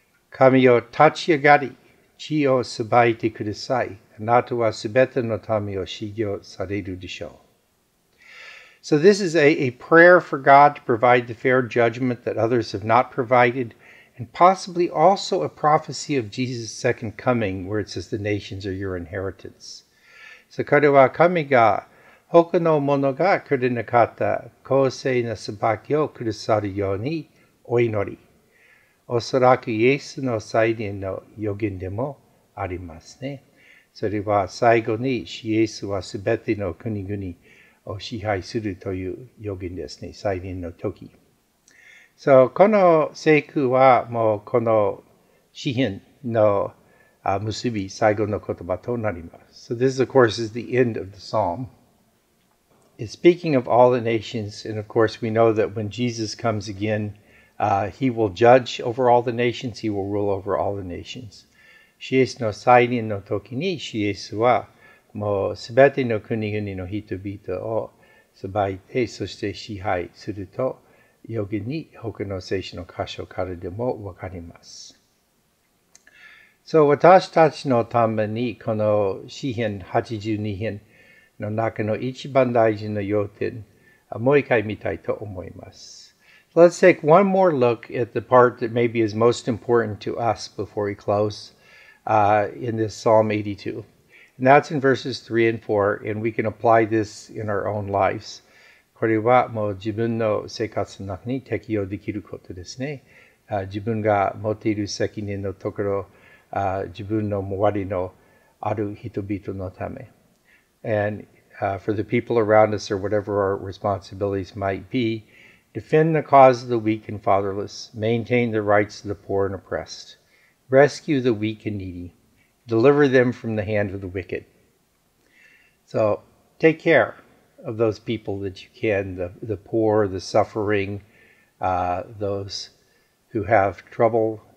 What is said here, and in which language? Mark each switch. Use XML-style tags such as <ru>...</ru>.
<en>Kamiyo tachiagari, chiyo sabaiti kudasai, anatua subeta no tamiyo shigyo saredu disho. So this is a prayer for God to provide the fair judgment that others have not provided, and possibly also a prophecy of Jesus' second coming, where it says the nations are your inheritance.</en> <ja>So これは神が他の者がくれなかった公正な裁きをくださるようにお祈り。おそらくイエスの再臨の予言でもありますね。それは最後にイエスはすべての国々を支配するという予言ですね、再臨の時。 So, この聖句はもうこの詩篇の結び、最後の言葉となります。</ja> <en>So this, of course, is the end of the psalm. It's speaking of all the nations, and of course we know that when Jesus comes again, he will judge over all the nations, he will rule over all the nations.</en> <ja>シエスの再臨の時にシエスはもうすべての国々の人々を裁いて、そして支配すると、予言に他の聖書の箇所からでもわかります。 So, 私たちのためにこの詩篇82編の中の一番大事な要点、もう一回見たいと思います。</ja> <en>So, let's take one more look at the part that maybe is most important to us before we close in this Psalm 82. And that's in verses 3 and 4, and we can apply this in our own lives.</en> <ja>これはもう自分の生活の中に適用できることですね。自分が持っている責任のところ、自分の周りのある人々のため。</ja> <en>And for the people around us or whatever our responsibilities might be, defend the cause of the weak and fatherless, maintain the rights of the poor and oppressed, rescue the weak and needy. Deliver them from the hand of the wicked. So take care of those people that you can, the poor, the suffering, those who have trouble.</en>